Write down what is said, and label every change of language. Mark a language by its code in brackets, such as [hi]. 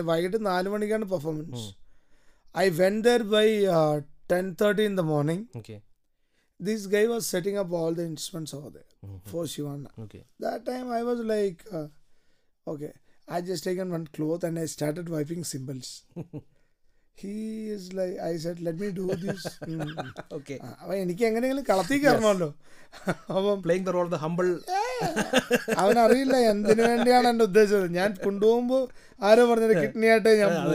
[ml] വൈകിട്ട് 4 മണിക്കാണ് performance. [en] I went there by 10:30 in the morning. Okay, these guy was setting up all the instruments over there for Shivana. That time I was like okay, I just taken one cloth and I started wiping cymbals. He is like, I said, let me do this. Okay. [ml] എനിക്ക് എങ്ങനെയെങ്കിലും കളത്തി കയറണമല്ലോ. [en] അപ്പം playing the role of the humble. [ml] അവനറിയില്ല എന്തിനു വേണ്ടിയാണ് എൻ്റെ ഉദ്ദേശം. ഞാൻ കൊണ്ടുപോകുമ്പോൾ ആരോ പറഞ്ഞത് കിഡ്നി ആയിട്ടേ ഞാൻ